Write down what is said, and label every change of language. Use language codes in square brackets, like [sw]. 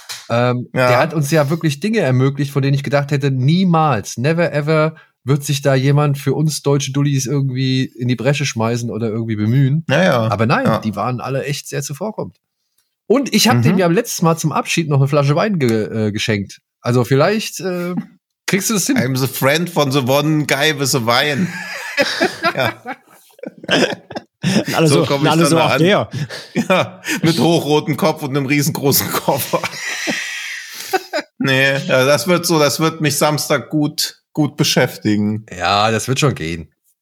[de] Der hat uns ja wirklich Dinge ermöglicht, von denen ich gedacht hätte, niemals, [en] never ever [de] wird sich da jemand für uns deutsche Dullis irgendwie in die Bresche schmeißen oder irgendwie bemühen. Naja. Aber nein, die waren alle echt sehr zuvorkommend. Und ich habe dem ja letztes Mal zum Abschied noch eine Flasche Wein geschenkt. Also vielleicht kriegst du das hin. [en] I'm the friend von the one guy with the wine. [de] Alle so komme ich alle dann so an. Ja, mit hochrotem Kopf und einem riesengroßen Koffer. Nee, das wird so, das wird mich Samstag gut beschäftigen. Ja, das wird schon gehen.